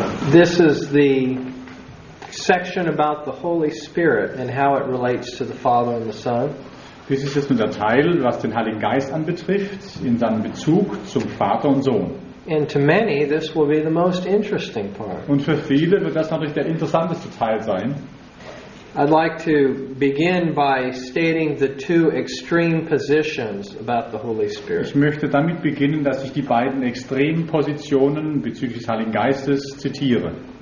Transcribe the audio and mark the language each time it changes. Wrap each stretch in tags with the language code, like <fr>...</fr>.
<en>This is the section about the Holy Spirit and how it relates to the Father and the Son.</en> <de>Dies ist jetzt der Teil, was den Heiligen Geist anbetrifft, in seinem Bezug zum Vater und Sohn.</de> <en>And to many, this will be the most interesting part.</en> <de>Und für viele wird das natürlich der interessanteste Teil sein.</de> <en>I'd like to begin by stating the two extreme positions about the Holy Spirit.</en> <de>Ich möchte damit beginnen, dass ich die beiden extremen Positionen bezüglich des Heiligen Geistes zitiere.</de>